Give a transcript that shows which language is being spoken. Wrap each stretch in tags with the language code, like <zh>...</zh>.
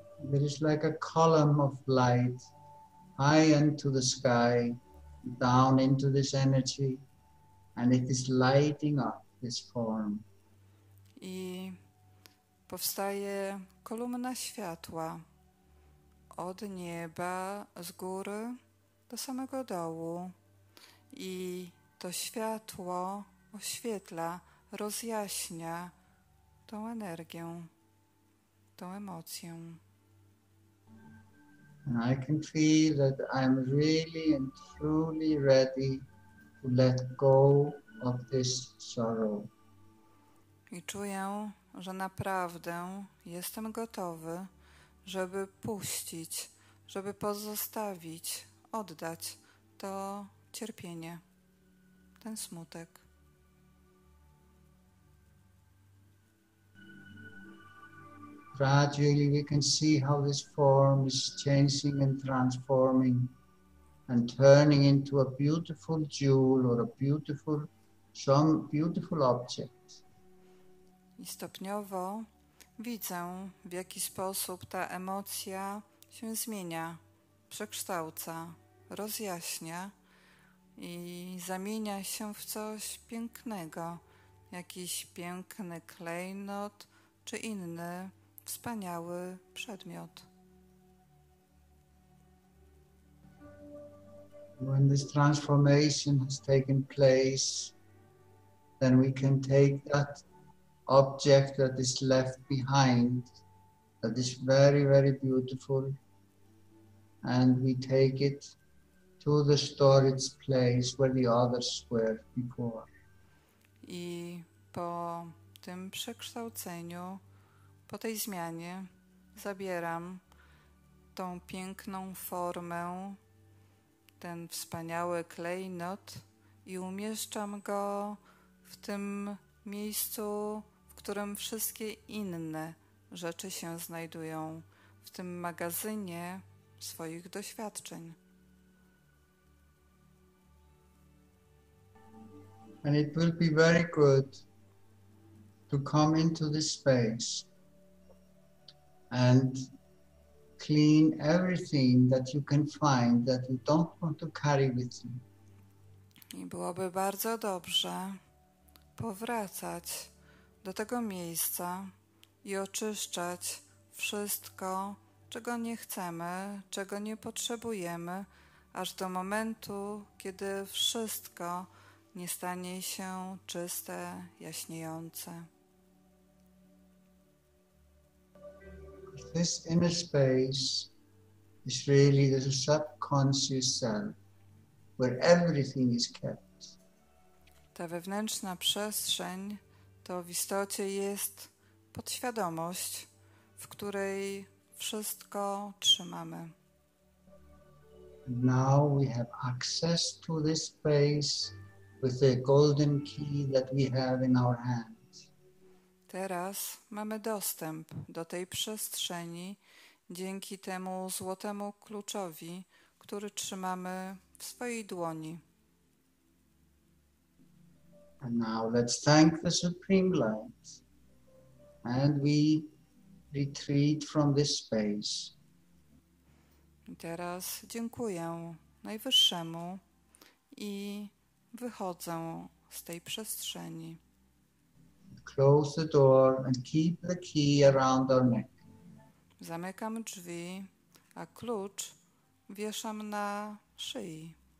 <en>There is like a column of light high into the sky, down into this energy, and it is lighting up this form.</en> <pl>I powstaje kolumna światła od nieba, z góry do samego dołu. I to światło oświetla, rozjaśnia tą energię, tą emocję.</pl> <en>And I can feel that I'm really and truly ready to let go of this sorrow.</en> <pl>I czuję, że naprawdę jestem gotowy, żeby puścić, żeby pozostawić, oddać to cierpienie, ten smutek.</pl> <en>Gradually we can see how this form is changing and transforming and turning into a beautiful jewel or a beautiful, some beautiful object.</en> <pl>I stopniowo widzę, w jaki sposób ta emocja się zmienia, przekształca, rozjaśnia i zamienia się w coś pięknego, jakiś piękny klejnot czy inny wspaniały przedmiot.</pl> <en>When this transformation has taken place, then we can take that object that is left behind, that is very, very beautiful, and we take it to the storage place where the others were before.</en> <pl>I po tym przekształceniu, po tej zmianie zabieram tą piękną formę, ten wspaniały klejnot i umieszczam go w tym miejscu, w którym wszystkie inne rzeczy się znajdują, w tym magazynie swoich doświadczeń.</pl> <en>And it will be very good to come into this space and clean everything that you can find that you don't want to carry with you.</en> <pl>I byłoby bardzo dobrze powracać do tego miejsca i oczyszczać wszystko, czego nie chcemy, czego nie potrzebujemy, aż do momentu, kiedy wszystko nie stanie się czyste, jaśniejące.</pl> <en>This inner space is really the subconscious self, where everything is kept.</en> <pl>Ta wewnętrzna przestrzeń to w istocie jest podświadomość, w której wszystko trzymamy.</pl> <en>now we have access to this space with the golden key that we have in our hands.</en> <pl>Teraz mamy dostęp do tej przestrzeni dzięki temu złotemu kluczowi, który trzymamy w swojej dłoni.</pl> <en>And now let's thank the Supreme Light and we retreat from this space.</en> <pl>Teraz dziękuję Najwyższemu i wychodzę z tej przestrzeni.</pl> <en>Close the door and keep the key around our neck.</en> <pl>Zamykam drzwi, a klucz wieszam na szyi.</pl>